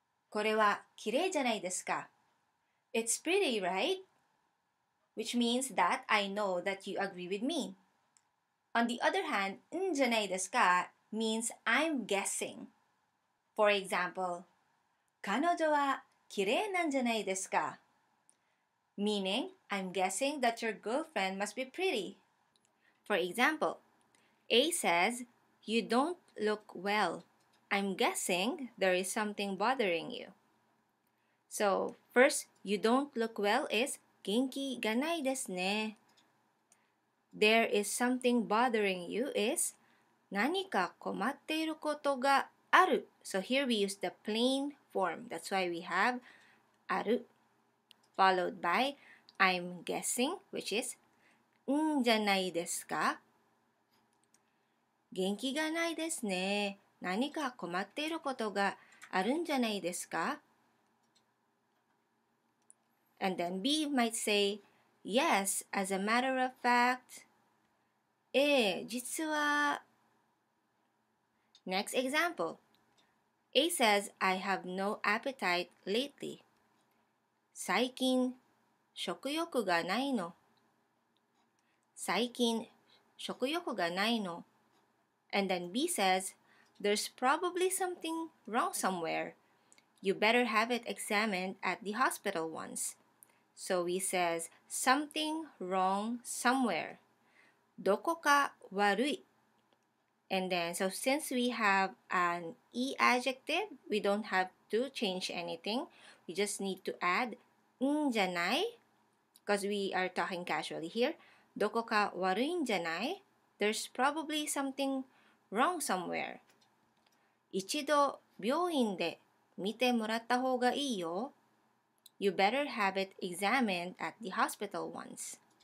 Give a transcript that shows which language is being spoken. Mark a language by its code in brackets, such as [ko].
[ja] これは綺麗じゃないですか? [en] It's pretty, right? Which means that I know that you agree with me. On the other hand, [ja] んじゃないですか? [en] means I'm guessing. For example, [ja] 彼女は綺麗なんじゃないですか? [en] Meaning, I'm guessing that your girlfriend must be pretty. For example, A says, you don't look well. I'm guessing there is something bothering you. So, first, you don't look well is [ja] 元気がないですね。 [en] There is something bothering you is [ja] 何か困っていることがある。 [en] So here we use the plain form. That's why we have ある followed by I'm guessing, which is [ja] んじゃないですか。元気がないですね。何か困っていることがあるんじゃないですか? [en] And then B might say, Yes, as a matter of fact. [ja] ええ、実は。 [en] Next example. A says, I have no appetite lately. [ja] 最近、食欲がないの。最近、食欲がないの。 [en] And then B says,There's probably something wrong somewhere. You better have it examined at the hospital once. So he says, something wrong somewhere. [ja] どこか悪い。 [en] And then, so since we have an e adjective, we don't have to change anything. We just need to add [ja] んじゃない? [en] Because we are talking casually here. [ja] どこか悪いんじゃない? [en] There's probably something wrong somewhere. [ja] 一度病院で見てもらった方がいいよ。 [en] You better have it examined at the hospital once.